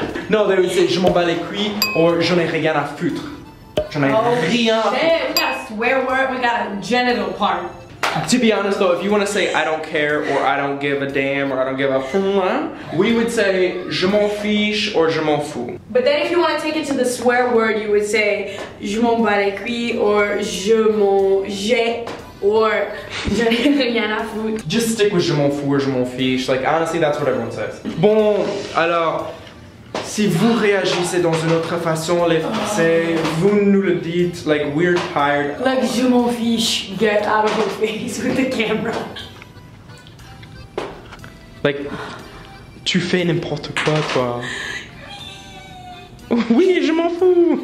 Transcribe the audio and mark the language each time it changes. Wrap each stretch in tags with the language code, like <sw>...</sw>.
<en>No, they would say</en> <fr>je m'en bats les couilles</fr> <en>or</en> <fr>je n'ai rien à foutre. Je n'ai rien à foutre.</fr> <en>Shit, we got a swear word, we got a genital part. To be honest though, if you want to say I don't care or I don't give a damn or I don't give a fuck, we would say</en> <fr>je m'en fiche</fr> <en>or</en> <fr>je m'en fous.</fr> <en>But then if you want to take it to the swear word, you would say</en> <fr>je m'en bats les couilles</fr> <en>or</en> <fr>je m'en j'ai</fr> <en>or</en> <fr>je n'ai rien à foutre.</fr> <en>Just stick with</en> <fr>je m'en fous</fr> <en>or</en> <fr>je m'en fiche.</fr> <en>Like honestly, that's what everyone says.</en> <fr>Bon, alors, si vous réagissez dans une autre façon, les Français, vous nous le dites,</fr> <en>like, we're tired. Like,</en> <fr>je m'en fiche,</fr> <en>get out of your face with the camera.</en> <fr>Like, tu fais n'importe quoi, toi. Oui, je m'en fous.</fr>